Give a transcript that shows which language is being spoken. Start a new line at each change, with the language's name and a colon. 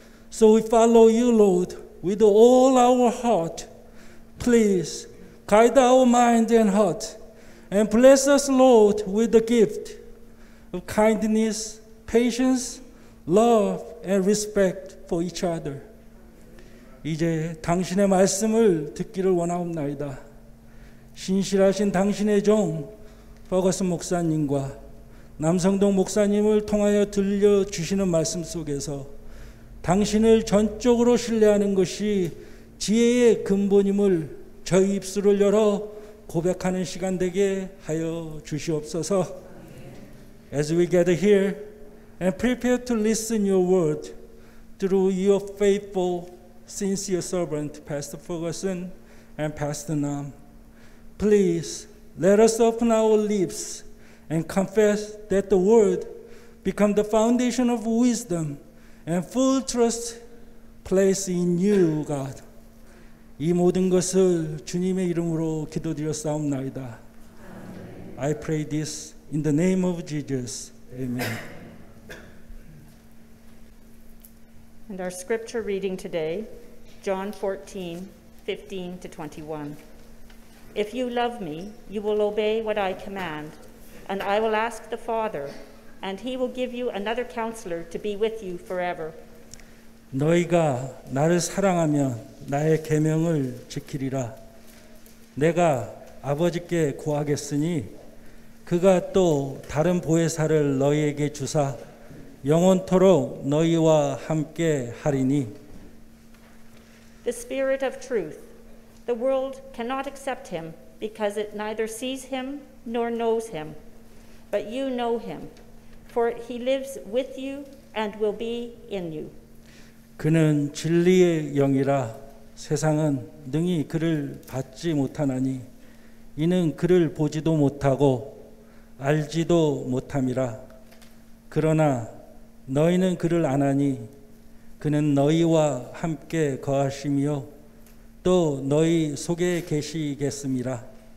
English: So we follow you, Lord, with all our heart. Please guide our mind and heart and bless us, Lord, with the gift of kindness, patience, love, and respect for each other.
Korean: 이제 당신의 말씀을 듣기를 원하옵나이다. 신실하신 당신의 종 버거슨 목사님과 남성동 목사님을 통하여 들려주시는 말씀 속에서 당신을 전적으로 신뢰하는 것이 지혜의 근본임을 저희 입술을 열어 고백하는 시간 되게 하여 주시옵소서.
English: As we gather here and prepare to listen your word through your faithful, sincere servant, Pastor Ferguson and Pastor Nam, please let us open our lips and confess that the word become the foundation of wisdom and full trust place in you, God.
Korean: 이 모든 것을 주님의 이름으로 기도드렸사옵나이다.
English: I pray this in the name of Jesus. Amen. And our scripture reading today, John 14, 15 to 21. If you love me, you will obey what I command, and I will ask the Father, and he will give you another counselor to be with you forever.
Korean: 너희가 나를 사랑하면 나의 계명을 지키리라. 내가 아버지께 구하겠으니 그가 또 다른 보혜사를 너희에게 주사 영원토록 너희와 함께 하리니.
English: The Spirit of Truth. The world cannot accept him because it neither sees him nor knows him. But you know him, for he lives with you and will be in you.
Korean: 그는 진리의 영이라 세상은 능히 그를 받지 못하나니 이는 그를 보지도 못하고 알지도 못함이라. 그러나 너희는 그를 아나니 그는 너희와 함께 거하시며 또 너희 속에 계시겠음이라.